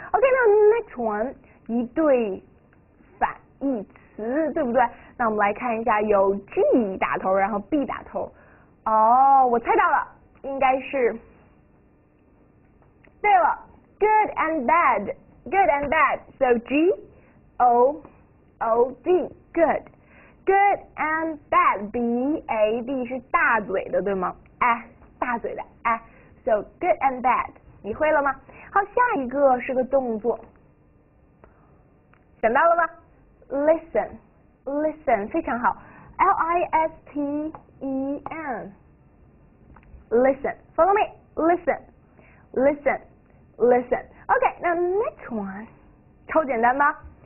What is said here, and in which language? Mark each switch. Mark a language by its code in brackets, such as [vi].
[zh] OK，那 next one 一对反义词，对不对？那我们来看一下，有 G 打头，然后 B 打头。哦，我猜到了，应该是，对了， [en] good and bad，good and bad，so [zh] G O。 O D good and bad B A D 是大嘴的，对吗？哎，大嘴的哎， [en] So good and bad， [zh] 你会了吗？好，下一个是个动作，想到了吗？Listen，非常好，LISTEN，Listen， [en] Follow me， [zh] Listen，Listen，Listen，OK，那 next one 超简单吧？